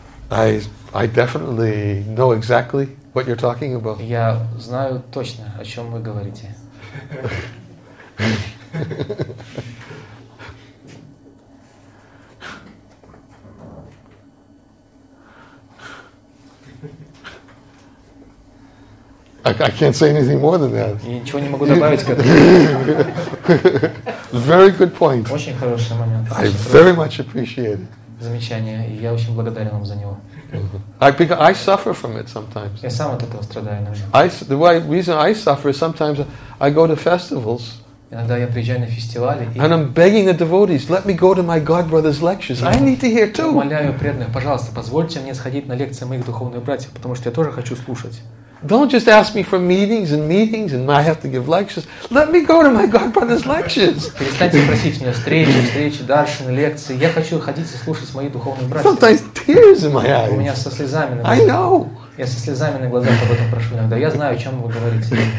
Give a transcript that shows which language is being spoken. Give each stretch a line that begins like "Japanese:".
English: I definitely know exactly what you're talking about.
Russian: Я знаю точно, о чём вы говорите.
English: I can't say anything more than that.
Russian: Я ничего не могу добавить к этому.
English: Very good point.
Russian: Очень хороший момент.
English: I very much appreciate it.
Russian: Замечание, и я очень благодарен вам за него.
English: I suffer from it sometimes.
Russian: Я сам от этого страдаю иногда.
English: Reason I suffer is sometimes I go to festivals.
Russian: Иногда я приезжаю на фестивали.
English: And I'm begging the devotees, let me go to my godbrother's lectures. I need to hear too.
Russian: Умоляю преданных, пожалуйста, позвольте мне сходить на лекции моих духовных братьев, потому что я тоже хочу слушать.
English: Don't just ask me for meetings and I have to give lectures. Let me go to my godbrother's lectures.
Russian: Перестаньте просить меня встречи, даршины, лекции. Я хочу ходить и слушать мои духовные братья.
English: Sometimes tears in my eyes.
Russian: У меня со слезами на глазах.
English: I know.
Russian: Я со слезами на глазах об этом прошу иногда. Я знаю, о чем вы говорите.